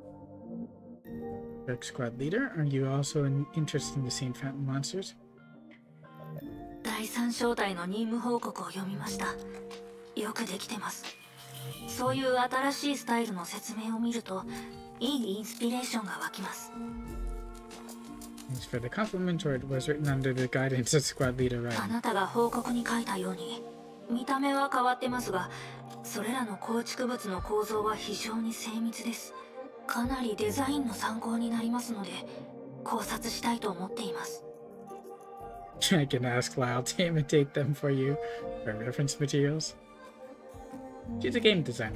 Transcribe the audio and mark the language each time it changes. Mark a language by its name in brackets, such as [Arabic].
[English] Squad Leader, are you also interested in the Saint Fountain Monsters? [Japanese] 第三招待の任務報告を読みました。よくできてます。そういう新しいスタイルの説明を見ると、いいインスピレーションが湧きます。 [English] Thanks for the compliment, or was written under the guidance of Squad Leader, right? [Japanese] あなたが報告に書いたように、 見た目は変わってますが、それらの構築物の構造は非常に精密です。かなりデザインの参考になりますので、考察したいと思っています。I [English] can ask Lyle to imitate them for you for reference materials. She's a game designer.